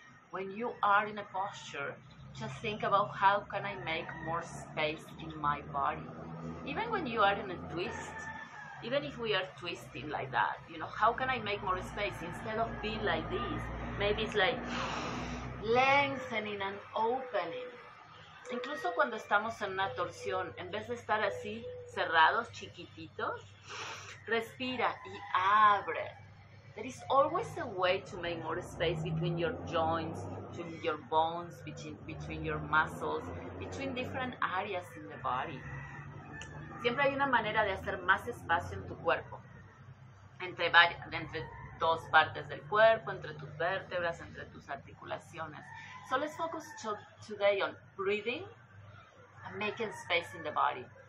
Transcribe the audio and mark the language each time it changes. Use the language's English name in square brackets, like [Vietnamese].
[English] When you are in a posture, just think about how can I make more space in my body. Even when you are in a twist, even if we are twisting like that, you know, how can I make more space instead of being like this? Maybe it's like lengthening and opening. [Spanish] Incluso cuando estamos en una torsión, en vez de estar así, cerrados, chiquititos, respira y abre. [English] There is always a way to make more space between your joints, between your bones, between your muscles, between different areas in the body. [Spanish] Siempre hay una manera de hacer más espacio en tu cuerpo, entre dos partes del cuerpo, entre tus vértebras, entre tus articulaciones. [English] So let's focus today on breathing and making space in the body.